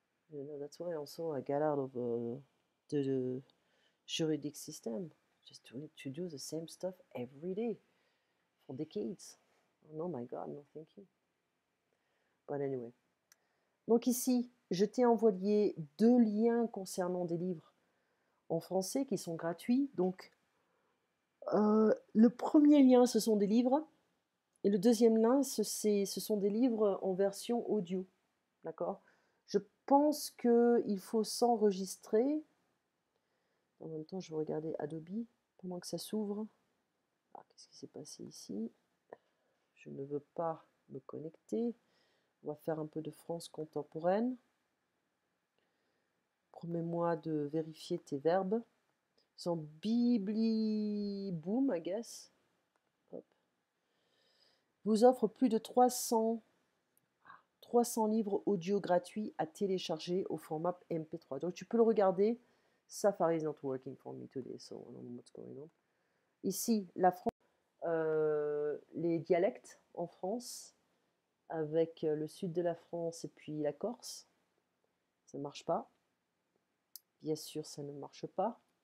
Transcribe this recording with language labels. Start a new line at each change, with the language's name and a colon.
English: You know, that's why also I got out of the juridic system. Just to do the same stuff every day for decades. Oh no, my God, no, thank you. But anyway.
French: Donc ici, je t'ai envoyé deux liens concernant des livres en français qui sont gratuits. Donc, le premier lien, ce sont des livres. Et le deuxième lien, ce sont des livres en version audio. D'accord? Je pense qu'il faut s'enregistrer. En même temps, je vais regarder Adobe pendant que ça s'ouvre. Ah, qu'est-ce qui s'est passé ici? Je ne veux pas me connecter. On va faire un peu de France contemporaine. Promets-moi de vérifier tes verbes. Son Bibli Boom,
English: I guess,
French: vous offre plus de 300 livres audio gratuits à télécharger au format MP3. Donc tu peux le regarder.
English: Safari is not working for me today, so I don't know what's going on.
French: Ici, la France, les dialectes en France, avec le sud de la France et puis la Corse, ça ne marche pas. Bien sûr, ça ne marche pas.